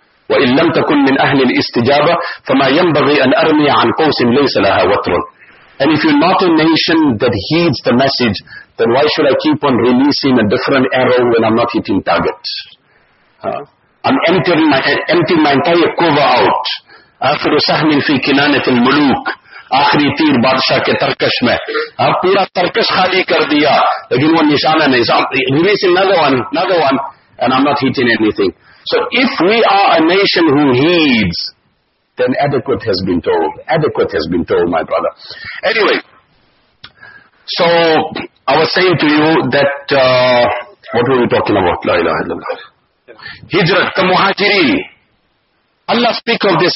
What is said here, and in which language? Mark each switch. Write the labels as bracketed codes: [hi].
[ar] وَإِن لَمْ تَكُنْ مِنْ أَهْلِ الْإِسْتِجَابَةِ فَمَا يَنْبَغِي أَنْ أَرْمِيَ عَنْ قَوْسٍ لَيْسَ لَهَا وَتْرٌ [en] And if you're not a nation that heeds the message, then why should I keep on releasing a different arrow when I'm not hitting target? I'm emptying my entire quiver out. [ar] أَخْرُ سَحْمٍ فِي كِنَانَةِ الْمُلُوكِ [ur] آخری تیر بادشاہ کے Turkish میں اب پورا Turkish خالی کر دیا لیکن وہ نشانہ نہیں [en] another one and I'm not hitting anything. So if we are a nation who heeds, then adequate has been told, my brother. Anyway, so I was saying to you that what were we talking about? La ilaha illallah. Hijrat, the muhajirin. Allah speak of this.